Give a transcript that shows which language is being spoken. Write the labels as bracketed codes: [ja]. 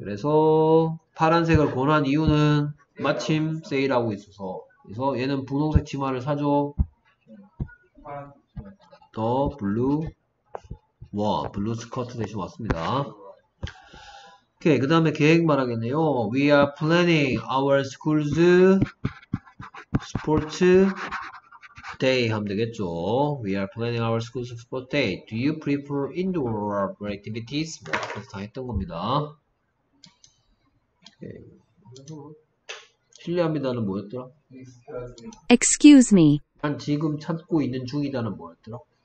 [ko] 그래서 파란색을 권한 이유는 마침 세일하고 있어서. 그래서 얘는 분홍색 치마를 사줘. The blue 와, 블루 스커트 대신 왔습니다. 오케이, 그 다음에 계획 말하겠네요. [en] We are planning our school's sports day [ko] 하면 되겠죠. [en] We are planning our school's sports day. Do you prefer indoor activities? [ko] 뭐, 그래서 다 했던 겁니다. 실례합니다는 뭐였더라? [en] Excuse me. [ko] 난 지금 찾고 있는 중이다는 뭐였더라?